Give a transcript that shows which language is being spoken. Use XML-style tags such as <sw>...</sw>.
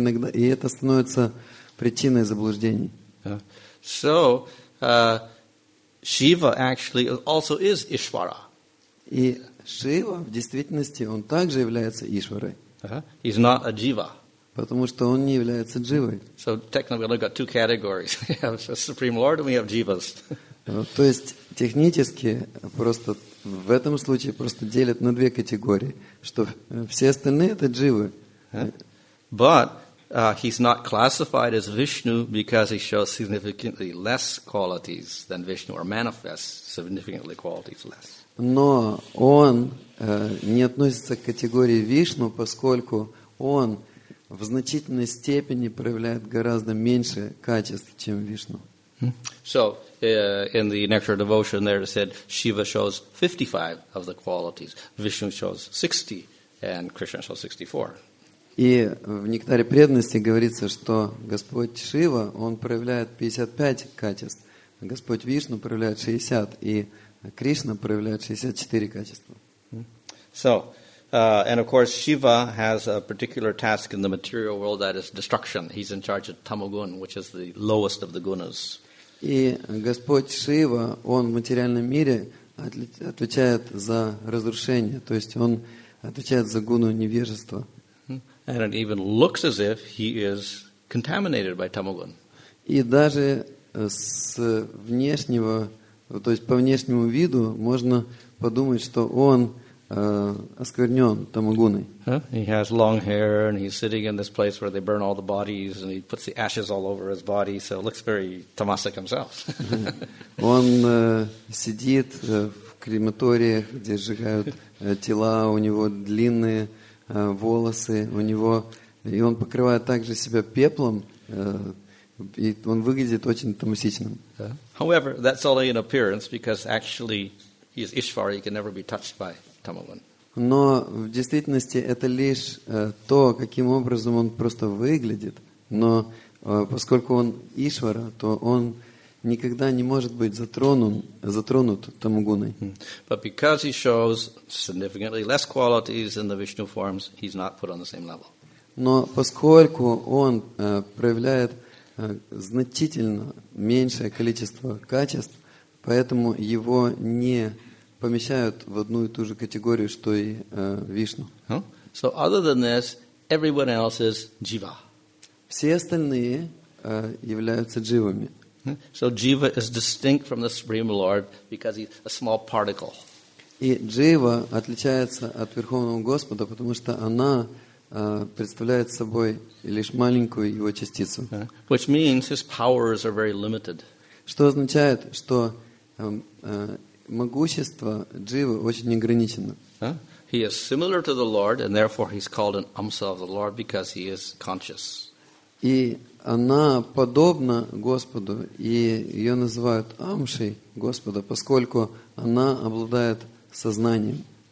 <ru>Иногда, и это становится причиной заблуждений.</ru> <en>So, Shiva actually also is Ishvara.</en> <ru>И Шива в действительности, он также является Ишварой.</ru> <en>He's not a Jiva.</en> <ru>Потому что он не является Дживой.</ru> <en>So, technically, we've got two categories. We have the Supreme Lord and we have Jivas.</en> <ru>То есть, технически, просто в этом случае просто делят на две категории, что все остальные это Дживы.</ru> <en>But he's not classified as Vishnu because he shows significantly less qualities than Vishnu or manifests significantly qualities less.</en> <ru>Но он не относится к категории Вишну, поскольку он в значительной степени проявляет гораздо меньше качеств, чем Вишну.</ru> <en>So, in the Nectar of Devotion there it said Shiva shows 55 of the qualities, Vishnu shows 60, and Krishna shows 64.</en> <ru>И в Нектаре преданности говорится, что Господь Шива, он проявляет 55 качеств, а Господь Вишну проявляет 60, и Кришна проявляет 64 качества.</ru> <en>So, and of course, Shiva has a particular task in the material world, that is destruction. He's in charge of Tamogun, which is the lowest of the gunas.</en> <ru>И Господь Шива, он в материальном мире отвечает за разрушение, то есть он отвечает за гуну невежества.</ru> <en>And it even looks as if he is contaminated by Tamogun.</en> <ru>И даже с внешнего, то есть по внешнему виду, можно подумать, что он осквернен Тамогуной.</ru> <en>He has long hair and he's sitting in this place where they burn all the bodies and he puts the ashes all over his body, so it looks very tamasic himself.</en> <ru>Он сидит в крематориях, где сжигают тела, у него длинные волосы, у него, и он покрывает также себя пеплом, и он выглядит очень тамасичным.</ru> <en>However, that's only an appearance because actually he is Ishvara, he can never be touched by Tamogun.</en> <ru>Но в действительности это лишь то, каким образом он просто выглядит, но поскольку он Ишвара, то он никогда не может быть затронут Тамогуной.</ru> <en>But because he shows significantly less qualities than the Vishnu forms, he's not put on the same level.</en> <ru>Но поскольку он проявляет значительно меньшее количество качеств, поэтому его не помещают в одну и ту же категорию, что и Вишну.</ru> <en>So other than this, everyone else is Jiva.</en> <ru>Все остальные являются Дживами.</ru> <en>So Jiva is distinct from the Supreme Lord because he's a small particle.</en> <ru>И Джива отличается от Верховного Господа, потому что она представляет собой лишь маленькую его частицу.</ru> <en>Which means his powers are very limited.</en> <ru>Что означает, что могущество Дживы очень ограничено.</ru> <en>He is similar to the Lord, and therefore he's called an amsa of the Lord because he is conscious.</en> <ru>И она подобна Господу, и ее называют амшей Господа, поскольку она обладает сознанием.</ru>